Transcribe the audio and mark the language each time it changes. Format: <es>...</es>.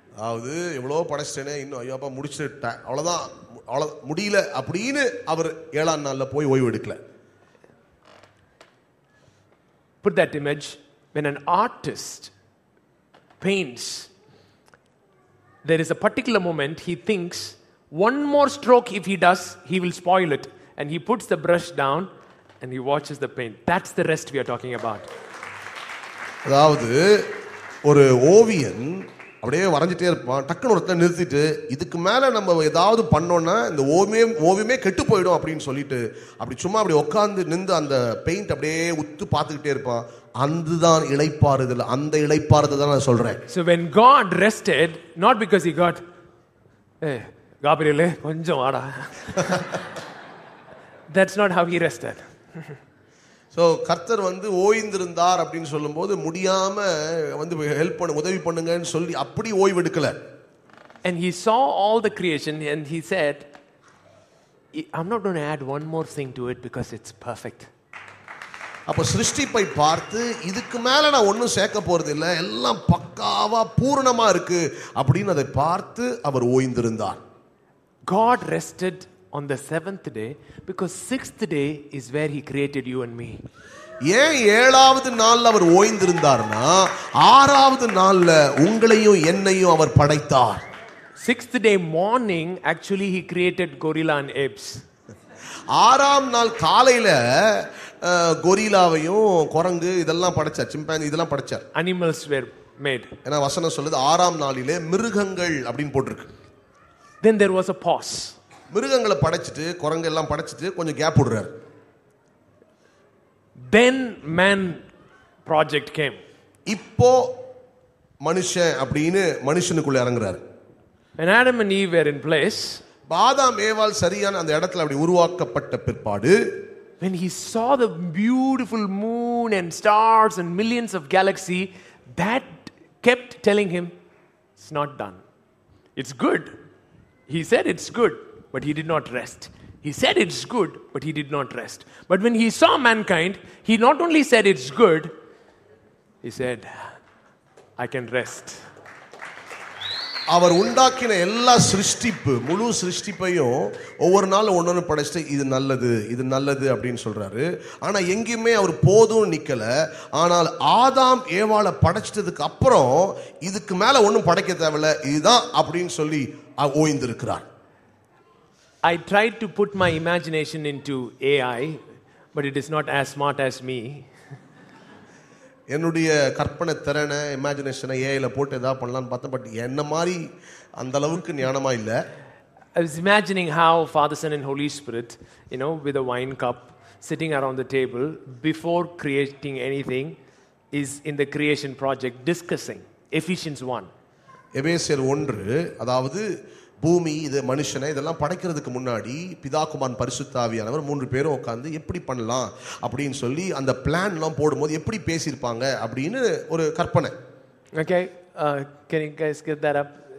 <ta>அது எவ்வளவு படைச்சேனே இன்னும் ஐயோ அப்பா முடிச்சிட்ட அவ்வளவுதான் அவ்வளவு முடியல அப்படின்னு அவர் ஏழாம் நாள்ல போய் ஓய்வு எடுக்கல.</ta> <en>Put that image, when an artist paints, there is a particular moment he thinks one more stroke, if he does he will spoil it, and he puts the brush down and he watches the paint. That's the rest we are talking about.</en> <ta>அதாவது ஒரு ஓவியன் அப்படியே வரையிட்டே இருப்பான், டக்கு ஒருத்த நிறுத்திட்டு இதுக்கு மேல நம்ம ஏதாவது பண்ணோம்னா இந்த ஓவியமே கெட்டு போயிடும் அப்படின்னு சொல்லிட்டு அப்படி சும்மா அப்படி உட்காந்து நின்று அந்த பெயிண்ட் அப்படியே உத்து பார்த்துக்கிட்டே இருப்பான். அதுதான் இளைப்பாறுதல், அந்த இளைப்பாறுதல் தான் நான் சொல்றேன்.</ta> <en>So when God rested, not because he got, hey, Gabriel,</en> <ta>கொஞ்சம் வாடா.</ta> <en>That's not how he rested.</en> <ta>So கர்த்தர் வந்து ஓய்ந்திருந்தார் அப்படின்னு சொல்லும் போது முடியாம வந்து ஹெல்ப் பண்ணு உதவி பண்ணுங்கன்னு சொல்லி அப்படி ஓய்வு எடுக்கல.</ta> <en>And he saw all the creation and he said, I'm not going to add one more thing to it because it's perfect.</en> <ta>அப்ப சிருஷ்டிப்பை பார்த்து இதுக்கு மேல நான் ஒன்னும் சேர்க்க போறது இல்ல, எல்லாம் பக்காவா பூர்ணமா இருக்கு அப்படின்னு அதை பார்த்து அவர் ஓய்ந்திருந்தார்.</ta> <en>God rested on the 7th day because 6th day is where he created you and me.</en> <ta>ஏ ஏழாவது நாள்ல அவர் ஓய்ந்திருந்தார்னா ஆறாவது நாள்ல உங்களையும் என்னையும் அவர் படைத்தார்.</ta> <en>6th day morning actually he created gorilla and apes.</en> <ta>ஆறாம் நாள் காலையில கோரிலாவையும் குரங்கு இதெல்லாம் படைச்சார், சிம்பாஞ்சி இதெல்லாம் படைச்சார்.</ta> <en>Animals were made.</en> <ta>ஏனா வசனம் சொல்லுது ஆறாம் நாளிலே மிருகங்கள் அப்படினு போட்டுருக்கு.</ta> <en>Then there was a pause.</en> <ta>மிருகங்களை படைச்சிட்டு குரங்கு எல்லாம் படைச்சிட்டு கொஞ்சம் கேப் விடுறார்.</ta> <en>Then man project came.</en> <ta>இப்போ மனுஷன் அப்படினு மனுஷனுக்குள்ள இறங்குறாரு.</ta> <en>When Adam and Eve were in place,</en> <ta>ஆதாம் ஏவாள் சரியான அந்த இடத்துல அப்படி உருவாக்கப்பட்ட பிற்பாடு,</ta> <en>when he saw the beautiful moon and stars and millions of galaxy, that kept telling him it's not done. It's good. He said it's good, but he did not rest. He said it's good, but he did not rest. But when he saw mankind, he not only said it's good, he said, I can rest.</en> <ta>அவர் உண்டாக்கின எல்லா சிருஷ்டிப்பு முழு சிருஷ்டிப்பையும் ஒவ்வொரு நாளும் ஒன்னொன்று படைச்சிட்டு இது நல்லது இது நல்லது அப்படின்னு சொல்றாரு. ஆனா எங்கேயுமே அவர் போதும் நிக்கல. ஆனால் ஆதாம் ஏவாளை படைச்சிட்டதுக்கு அப்புறம் இதுக்கு மேல ஒன்றும் படைக்க தேவையில்ல இதுதான் அப்படின்னு சொல்லி ஓய்ந்திருக்கிறார்.</ta> <en>I tried to put my imagination into AI, but it is not as smart as me.</en> <ta>என்னுடைய கற்பனை திறனை இமேஜினேஷனை ஏஐயில் போட்டு எதாவது பண்ணலான்னு பார்த்தேன், பட் என்ன மாதிரி அந்த அளவுக்கு ஞானமாக இல்லை.</ta> <en>I was imagining how Father, Son and Holy Spirit, you know, with a wine cup, sitting around the table, before creating anything, is in the creation project, discussing, Ephesians 1.</en> <ta>எபேசியர் 1, அதாவது பூமி இது மனுஷனை இதெல்லாம் படைக்கிறதுக்கு முன்னாடி பிதாகுமான் பரிசுத்தாவியானவர் மூன்று பேரும் உட்காந்து எப்படி பண்ணலாம் அப்படின்னு சொல்லி அந்த பிளான்லாம் போடும்போது எப்படி பேசியிருப்பாங்க அப்படின்னு ஒரு கற்பனை.</ta> <en>Okay, can you guys get that up?</en>